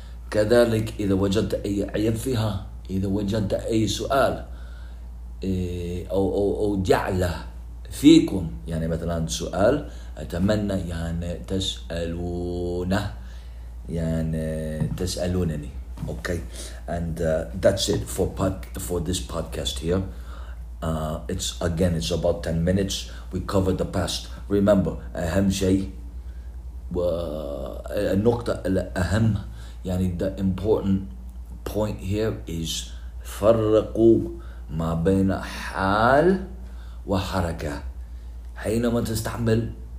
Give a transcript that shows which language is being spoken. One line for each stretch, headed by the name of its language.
Arabic: كذلك إذا وجدت أي عيب فيها, إذا وجدت أي سؤال أو جعلة فيكم, يعني مثلا سؤال أتمنى يعني تسألونه, يعني تسألونني.
English: Okay, and that's it for this podcast here. It's about 10 minutes. We covered the past.
Arabic: Remember, أهم شيء النقطة الأهم, يعني
English: the important point here is
Arabic: فرقوا ما بين حال وحركة. حينما تستعمل